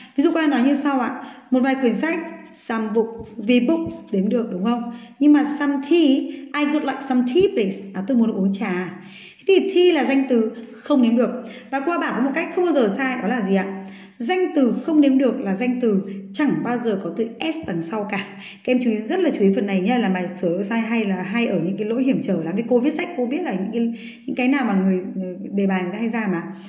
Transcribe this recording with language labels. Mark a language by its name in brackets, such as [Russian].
[Vietnamese] Ví dụ các em nói như sau ạ. Một vài quyển sách, [English] some books, [Vietnamese] vì books đếm được, đúng không? Nhưng mà [English] some tea, I would like some tea please. [Vietnamese] À, tôi muốn uống trà. Thì tea là danh từ không đếm được. Và qua bảng có một cách không bao giờ sai, đó là gì ạ? Danh từ không đếm được là danh từ chẳng bao giờ có từ S đằng sau cả. Các em chú ý, rất là chú ý phần này nhé. Là bài sửa lỗi sai hay là hay ở những cái lỗi hiểm trở lắm. Vì cô viết sách, cô biết là những cái nào mà người đề bài người ta hay ra mà.